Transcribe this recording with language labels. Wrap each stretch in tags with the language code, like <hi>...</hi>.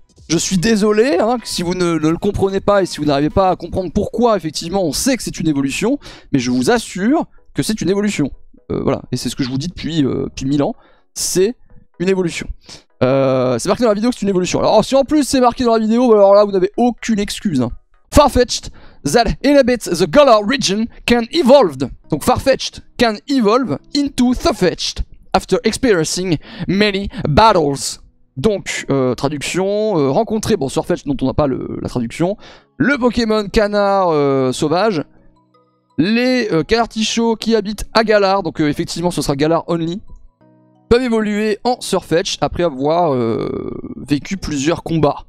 <fr>Je suis désolé, hein, si vous ne le comprenez pas et si vous n'arrivez pas à comprendre pourquoi, effectivement, on sait que c'est une évolution, mais je vous assure que c'est une évolution. Voilà, et c'est ce que je vous dis depuis 1000 ans, c'est une évolution. C'est marqué dans la vidéo que c'est une évolution. Alors, si en plus c'est marqué dans la vidéo, alors là, vous n'avez aucune excuse. Hein.</fr> <en>Farfetch'd that inhabits the Galar region can evolve. Donc, Farfetch'd can evolve into Sirfetch'd after experiencing many battles.</en> <fr>Donc, traduction, rencontrer, bon, Sirfetch'd dont on n'a pas la traduction, le Pokémon canard sauvage, les Canartichou qui habitent à Galar, donc effectivement ce sera Galar only, peuvent évoluer en Sirfetch'd après avoir vécu plusieurs combats.</fr>